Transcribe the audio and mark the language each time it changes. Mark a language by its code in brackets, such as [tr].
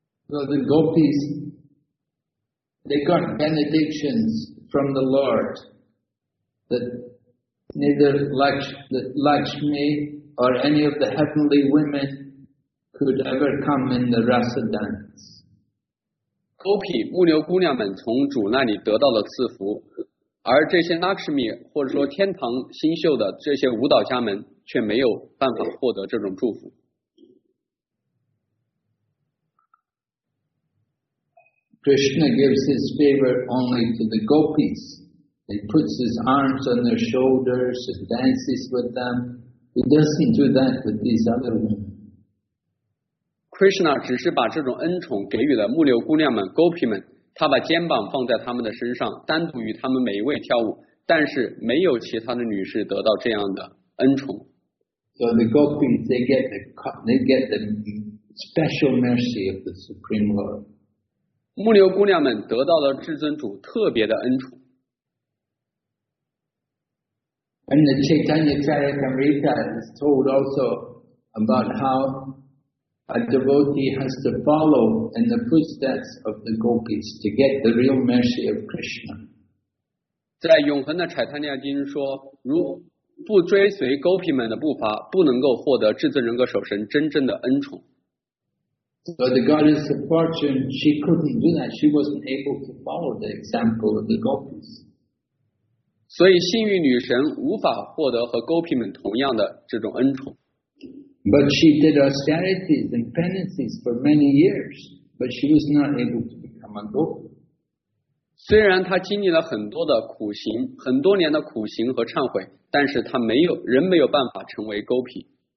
[en] So the Gopis, they got benedictions. From the Lord, that neither Lakshmi or any of the heavenly women could ever come in the rasa dance. [zh] 勾匹牧牛姑娘们从主那里得到了赐福，而这些拉什米或者说天堂新秀的这些舞蹈家们却没有办法获得这种祝福。 [en] Krishna gives his favor only to the gopis. He puts his arms on their shoulders and dances with them. He doesn't do that with these other women. [zh] Krishna 只是把这种恩宠给予了牧牛姑娘们、gopi 们，他把肩膀放在他们的身上，单独与他们每一位跳舞，但是没有其他的女士得到这样的恩宠。 [en] So the gopis, they get the special mercy of the Supreme Lord. [zh] 牧牛姑娘们得到了至尊主特别的恩宠。 [en] And the Chaitanya Charitamrita is told also about how a devotee has to follow in the footsteps of the gopis to get the real mercy of Krishna. [zh] 在永恒的柴坦尼亚经说，如不追随 gopi 们的步伐，不能够获得至尊人格守神真正的恩宠。 [en] So the goddess of fortune, she couldn't do that. She wasn't able to follow the example of the gopis. [zh] 所以幸运女神无法获得和 gopi 们同样的这种恩宠。 [en] But she did austerities and penances for many years, but she was not able to become a gopi. [zh] 虽然她经历了很多的苦行，很多年的苦行和忏悔，但是她没有，仍没有办法成为 gopi。